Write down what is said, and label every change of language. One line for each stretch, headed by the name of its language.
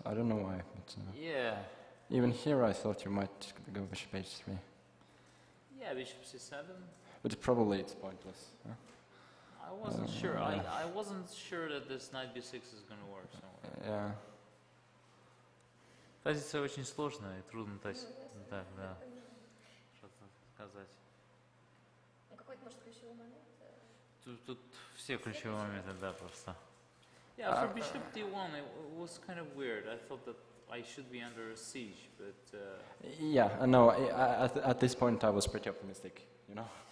English: I don't know why. But, yeah. Even here I thought you might go bishop h3. Yeah, bishop c7. But probably it's pointless. Yeah? I wasn't sure. Yeah. I wasn't sure that this knight b6 is going to work somewhere. Yeah.
Russian: Позиция очень сложная, и трудно так, да, да, что-то сказать. Какой-то, может, ключевой момент? Тут все ключевые моменты, да, просто.
English: Yeah, for bishop d1, it was kind of weird. I thought that I should be under a siege, but... Yeah, no, at this point I was pretty optimistic, you know?